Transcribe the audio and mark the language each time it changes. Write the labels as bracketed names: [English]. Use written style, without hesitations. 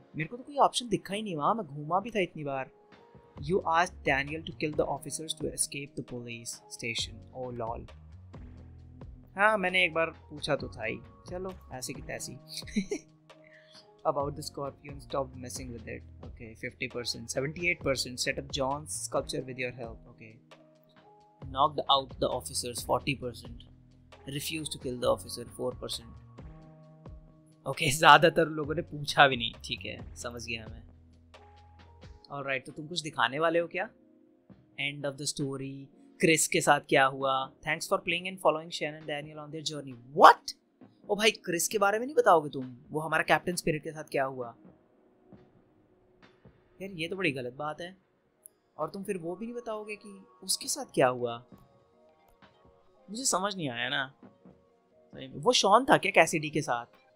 [Hindi] मेरे को तो कोई ऑप्शन दिखा ही नहीं वहां, मैं घूमा भी था इतनी बार। [English] You asked Daniel to kill the officers to escape the police station. [Hindi] O lol, हाँ मैंने एक बार पूछा तो था ही। चलो ऐसे की तैसी। [English] About the scorpion, stop messing with it. Okay 50%, 78%। Set up John's sculpture with your help. Okay knocked out the officers 40%, refused to kill the officer 4%. [Hindi] Okay, ज़्यादातर लोगों ने पूछा भी नहीं, ठीक है, समझ गया मैं. Alright, तो तुम कुछ दिखाने वाले हो क्या? [English] End of the story, [Hindi] Chris के साथ क्या हुआ? [English] Thanks for playing and following Shannon and Daniel on their journey. [Hindi] What? ओ भाई, क्रिस के बारे में नहीं बताओगे तुम? वो हमारा कैप्टन स्पिरिट के साथ क्या हुआ यार? ये तो बड़ी गलत बात है. और तुम फिर वो भी नहीं बताओगे कि उसके साथ क्या हुआ? मुझे समझ नहीं आया ना, वो शॉन था क्या कैसिडी के साथ?